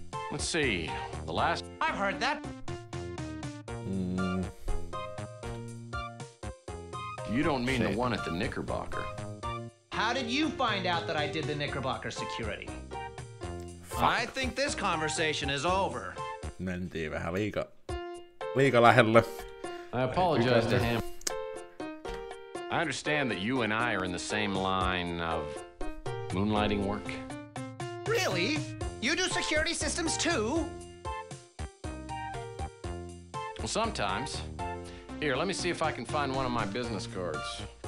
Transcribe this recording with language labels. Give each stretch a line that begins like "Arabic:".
English: Let's see. The last... I've heard that. You don't mean the one at the Knickerbocker. How did you find out that I did the Knickerbocker security? I think this conversation is over.
Finnish: Mentiin vähän liika lähelle.
English: I apologize to him. I understand that you and I are in the same line of moonlighting work. Really? You do security systems too? Well, sometimes. Here, let me see if I can find one of my business cards.